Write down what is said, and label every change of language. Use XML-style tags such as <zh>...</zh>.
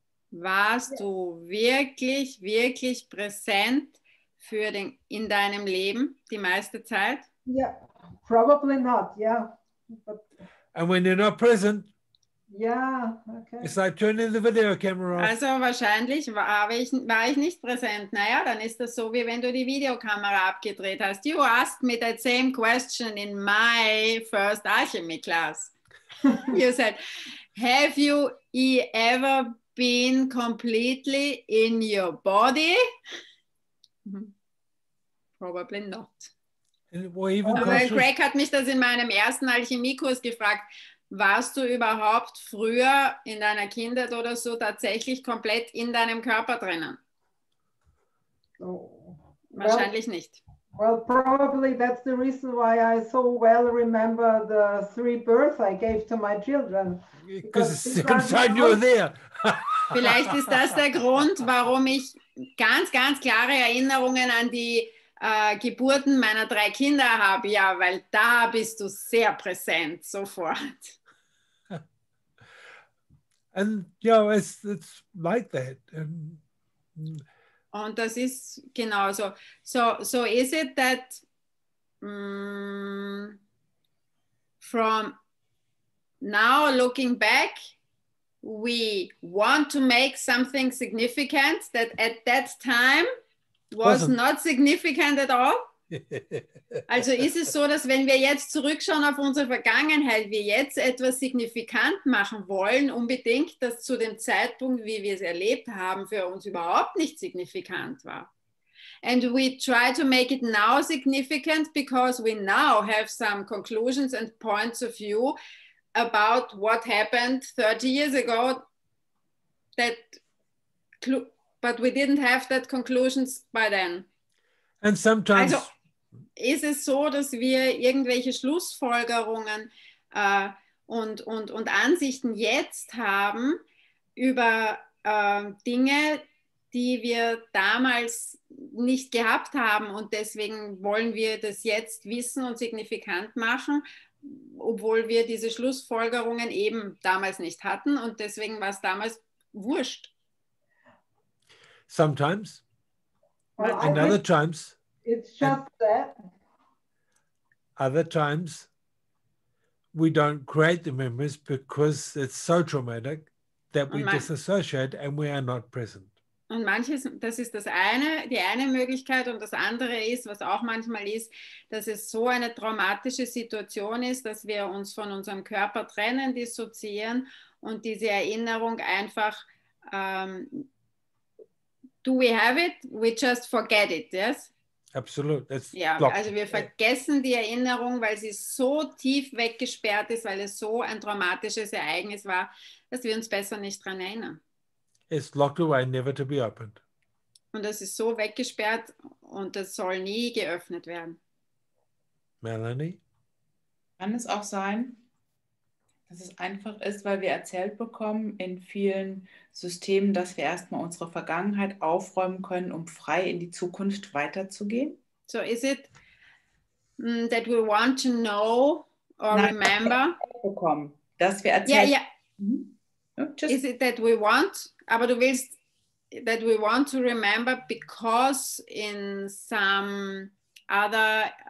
<de>Warst du wirklich, wirklich präsent für den in deinem Leben die meiste Zeit?</de> <en>Yeah, probably not. Yeah. And when you're not present, yeah, okay. It's like turning the video camera off.</en> <de>Also wahrscheinlich war ich nicht präsent. Naja, dann ist das so wie wenn du die Videokamera abgedreht hast.</de> <en>You asked me that same question in my first alchemy class. You said, have you ever been completely in your body? Probably not.</en> <de>Greg hat mich das in meinem ersten Alchemiekurs gefragt. Warst du überhaupt früher in deiner Kindheit oder so tatsächlich komplett in deinem Körper drinnen? Oh. Wahrscheinlich nicht.</de> <en>Well, probably that's the reason why I so well remember the 3 births I gave to my children. Because you were there.</en> <de>Vielleicht ist das der Grund, warum ich ganz, ganz klare Erinnerungen an die Geburten meiner 3 Kinder habe. Ja, weil da bist du sehr präsent sofort.</de> <en>And, you know, it's like that.</en> <de>Und das ist genauso.</de> <en>So is it that from now looking back, we want to make something significant that at that time was not significant at all?</en> <de>Also ist es so, dass wenn wir jetzt zurückschauen auf unsere Vergangenheit, wir jetzt etwas signifikant machen wollen, unbedingt, dass zu dem Zeitpunkt, wie wir es erlebt haben, für uns überhaupt nicht signifikant war.</de> <en>And we try to make it now significant because we now have some conclusions and points of view about what happened 30 years ago that but we didn't have that conclusions by then. And sometimes...</en> <de>Also, ist es so, dass wir irgendwelche Schlussfolgerungen und Ansichten jetzt haben über Dinge, die wir damals nicht gehabt haben und deswegen wollen wir das jetzt wissen und signifikant machen, obwohl wir diese Schlussfolgerungen eben damals nicht hatten und deswegen war es damals wurscht.</de> <en>Sometimes. And other times. It's just that. Other times, we don't create the memories because it's so traumatic that we disassociate and we are not present.</en> <de>Und manches, das ist das eine, die eine Möglichkeit und das andere ist, was auch manchmal ist, dass es so eine traumatische Situation ist, dass wir uns von unserem Körper trennen, dissoziieren und diese Erinnerung einfach,</de> <en>do we have it? We just forget it, yes?</en> <de>Absolut. Ja, also wir vergessen die Erinnerung, weil sie so tief weggesperrt ist, weil es so ein traumatisches Ereignis war, dass wir uns besser nicht dran erinnern.</de> <en>It's locked away, never to be opened.</en> <de>Und das ist so weggesperrt und das soll nie geöffnet werden. Melanie? Kann es auch sein, dass es einfach ist, weil wir erzählt bekommen in vielen Systemen, dass wir erstmal unsere Vergangenheit aufräumen können, um frei in die Zukunft weiterzugehen?</de> <en>So is it that we want to know or</en> <de>Nein,</de> <en>remember?</en> <de>Dass wir erzählt bekommen.</de> <en>Is it that we want?</en> <de>Aber du willst,</de> <en>that we want to remember because in some other</en>